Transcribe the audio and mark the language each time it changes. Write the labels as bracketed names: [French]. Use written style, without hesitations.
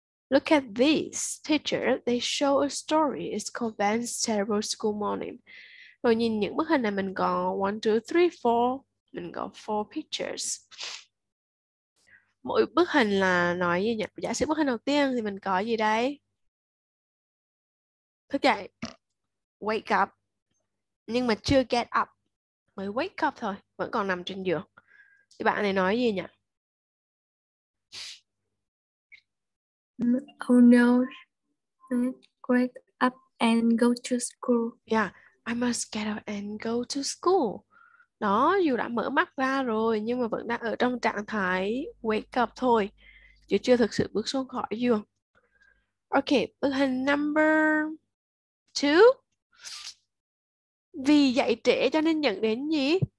[English] Look at this picture, they show a story, it's called Ben's terrible school morning. [Vietnamese] Rồi nhìn những bức hình này mình có 1, 2, 3, 4, mình có 4 pictures. Mỗi bức hình là nói gì nhỉ? Giả sử bức hình đầu tiên thì mình có gì đây? Thức dậy, wake up. Nhưng mà chưa get up, mới wake up thôi, vẫn còn nằm trên giường. Thì bạn này nói gì nhỉ? [English] Oh no, wake up and go to school. Yeah, I must get up and go to school. [Vietnamese] Đó, dù đã mở mắt ra rồi, nhưng mà vẫn đang ở trong trạng thái wake up thôi. Chứ chưa thực sự bước xuống khỏi giường. Ok, bức hình number 2. Vì dậy trễ cho nên nhận đến gì?